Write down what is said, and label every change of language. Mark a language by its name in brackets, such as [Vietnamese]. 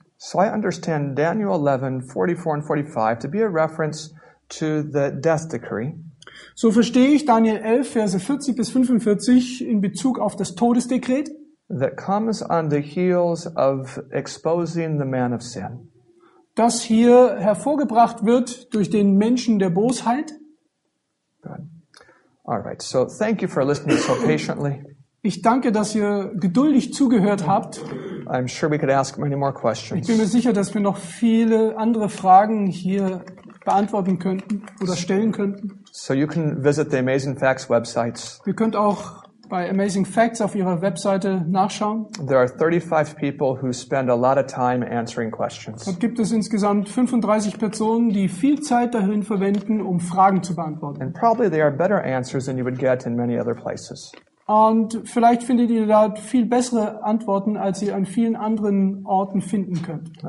[English] So I understand Daniel 11, 44 and 45 to be a reference to the death decree. [German] So verstehe ich Daniel 11, Verse 40 bis 45 in Bezug auf das Todesdekret. [English] That comes on the heels of exposing the man of sin. [German] Das hier hervorgebracht wird durch den Menschen der Bosheit. [English] Good. All right, so thank you for listening so patiently. [German] Ich danke, dass ihr geduldig zugehört habt. [English] I'm sure we could ask many more questions. [German] Ich bin mir sicher, dass wir noch viele andere Fragen hier beantworten könnten oder stellen könnten. [English] So you can visit the Amazing Facts websites. [German] Ihr könnt auch bei Amazing Facts auf ihrer Webseite nachschauen. [English] There are 35 people who spend a lot of time answering questions. [German] Dort gibt es insgesamt 35 Personen, die viel Zeit darin verwenden, um Fragen zu beantworten. [English] And probably they are better answers than you would get in many other places. [German] Und vielleicht findet ihr dort viel bessere Antworten, als ihr an vielen anderen Orten finden könnt.